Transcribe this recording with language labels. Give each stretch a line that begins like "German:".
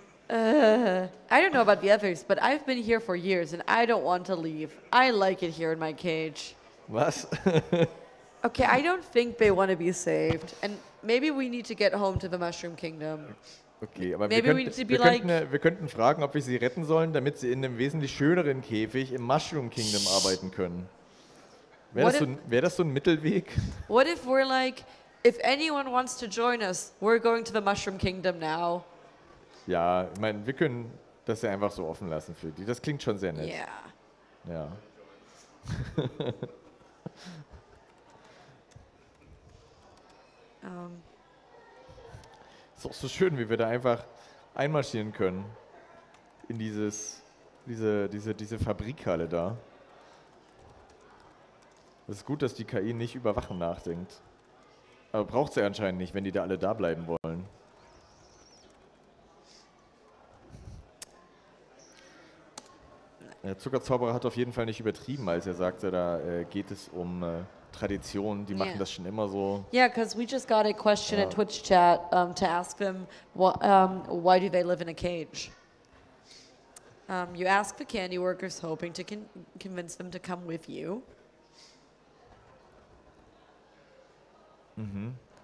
English: I don't know about the others, but I've been here for years and I don't want to leave. I like it here in my cage.
German: Was?
English: Okay, I don't think they want to be saved. And maybe we need to get home to the Mushroom Kingdom.
German: Okay, aber wir könnten fragen, ob wir sie retten sollen, damit sie in einem wesentlich schöneren Käfig im Mushroom Kingdom arbeiten können. Wäre das so ein Mittelweg?
English: What if we're like, if anyone wants to join us, we're going to the Mushroom Kingdom now.
German: Ja, ich meine, wir können das ja einfach so offen lassen für die. Das klingt schon sehr nett.
English: Yeah.
German: Ja. Ist auch so schön, wie wir da einfach einmarschieren können in diese Fabrikhalle da. Es ist gut, dass die KI nicht über Wachen nachdenkt. Aber braucht sie anscheinend nicht, wenn die da alle da bleiben wollen. Der Zuckerzauberer hat auf jeden Fall nicht übertrieben, als er sagte, da geht es um Tradition, die machen das schon immer so.
English: Yeah, because we just got a question in Twitch chat to ask them, why do they live in a cage? You ask the candy workers, hoping to convince them to come with you. Mhm.